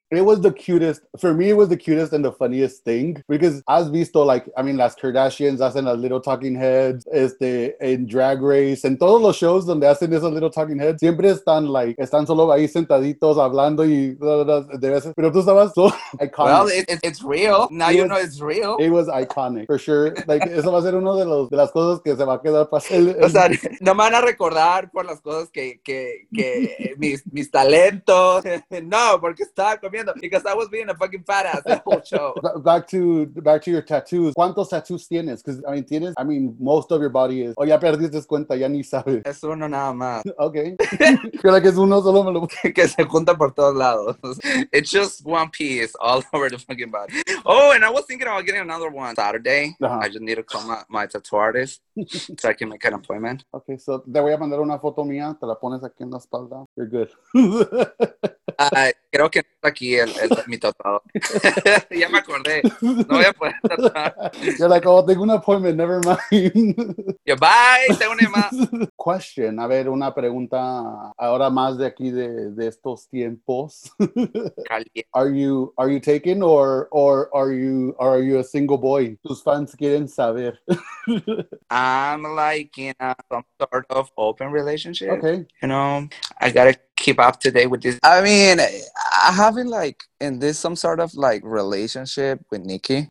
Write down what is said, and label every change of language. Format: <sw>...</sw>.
<en>It was the cutest, for me, it was the cutest and the funniest thing, because</en> <es>has visto, like, I mean, las Kardashians hacen las</es> <en>little talking heads,</en> <es>en Drag Race, en todos los shows donde hacen esos little talking heads, siempre están, like, están solo ahí sentaditos hablando y de veces, pero tú estabas</es> <en>so iconic. Well, it's real, you know it's real. It was iconic, for sure,</en> <es>like, eso va a ser uno de las cosas que se va a quedar para el... O sea, no me van a recordar por las cosas que mis talentos, no, porque estaba con...</es> <en>Because I was being a fucking fat ass the whole show. Back to your tattoos.</en> <es>¿Cuántos tattoos tienes?</es> <en>Because, most of your body is...</en> <es>Oh, ya perdiste cuenta, ya ni sabes. Es uno nada más. Okay. Creo que es uno solo. Me lo... que se junta por todos lados.</es> <en>It's just one piece all over the fucking body. Oh, and I was thinking about getting another one Saturday. Uh-huh. I just need to call my tattoo artist so I can make an appointment.</en> <es>Okay, so te voy a mandar una foto mía. Te la pones aquí en la espalda.</es> <en>You're good.</en> <es>Creo que está aquí el mi tatuador. Ya me acordé. No voy a poder tatuar.</es> <en>You're like, oh,</en> <es>tengo un appointment,</es> <en>never mind.</en> <es>Yo, bye, tengo una más.</es> <en>Question.</en> <es>A ver, una pregunta ahora más de aquí de estos tiempos. Caliente.</es> <en>Are you taken or are you a single boy?</en> <es>Tus fans quieren saber.</es> <en>I'm like in some sort of open relationship. Okay. You know, I gotta keep up to date with this. I mean, I haven't in this some sort of relationship with Nikki.</en>